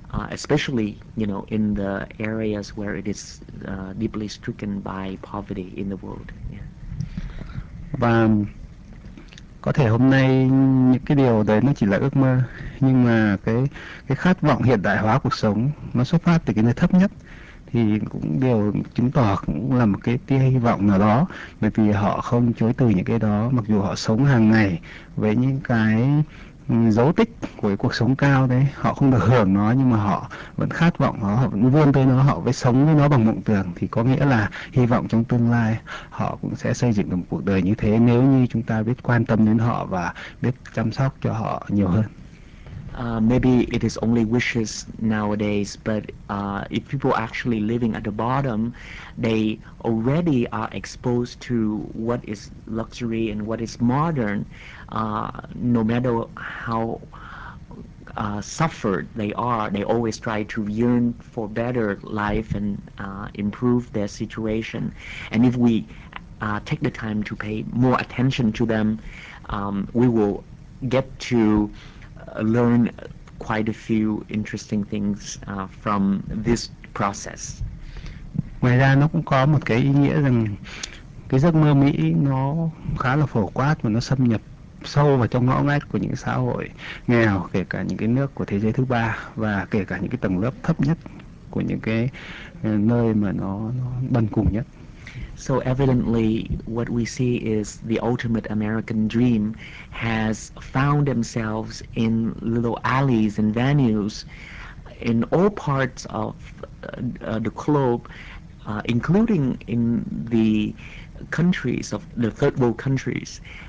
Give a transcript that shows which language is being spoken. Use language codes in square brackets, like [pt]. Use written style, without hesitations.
[en] especially, you know, in the areas where it is deeply stricken by poverty in the world. Yeah. [vi] Và có thể hôm nay những cái điều đấy nó chỉ là ước mơ, nhưng mà cái khát vọng hiện đại hóa cuộc sống nó xuất phát từ cái nơi thấp nhất thì cũng điều chứng tỏ cũng là một cái tia hy vọng nào đó, bởi vì họ không chối từ những cái đó, mặc dù họ sống hàng ngày với những cái dấu tích của cái cuộc sống cao đấy, họ không được hưởng nó nhưng mà họ vẫn khát vọng nó, họ vẫn vươn tới nó, họ vẫn sống với nó bằng mộng tưởng, thì có nghĩa là hy vọng trong tương lai họ cũng sẽ xây dựng được một cuộc đời như thế nếu như chúng ta biết quan tâm đến họ và biết chăm sóc cho họ nhiều hơn. [en] Maybe it is only wishes nowadays, but if people actually living at the bottom, they already are exposed to what is luxury and what is modern, no matter how suffered they are, they always try to yearn for better life and improve their situation. And if we take the time to pay more attention to them, we will get to learn quite a few interesting things from this process. [vi] Ngoài ra nó cũng có một cái ý nghĩa rằng cái giấc mơ Mỹ nó khá là phổ quát và nó xâm nhập sâu vào trong ngõ ngách của những xã hội nghèo, kể cả những cái nước của thế giới thứ ba và kể cả những cái tầng lớp thấp nhất của những cái nơi mà nó bần cùng nhất. [en] So evidently, what we see is the ultimate American dream has found themselves in little alleys and venues in all parts of the globe, including in the countries of the third world countries.